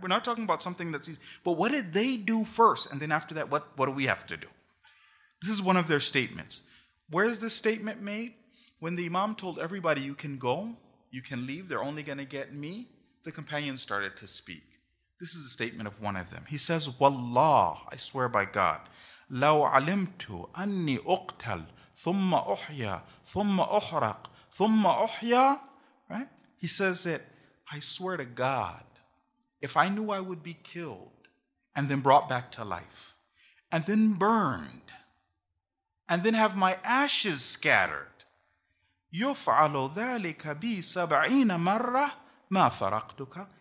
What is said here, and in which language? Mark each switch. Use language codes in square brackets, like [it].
[en] We're not talking about something that's easy. But what did they do first? And then after that, what do we have to do? This is one of their statements. Where is this statement made? When the Imam told everybody, you can go, you can leave, they're only going to get me, the companions started to speak. This is a statement of one of them. He says, Wallah, I swear by God, [ar] لو علمت أني أقتل ثم أحيا ثم أحرق ثم أحيا, [en] right? He says that, I swear to God, if I knew I would be killed and then brought back to life and then burned and then have my ashes scattered, [ar] يفعل ذلك بي 70 مرة ما فرقتك.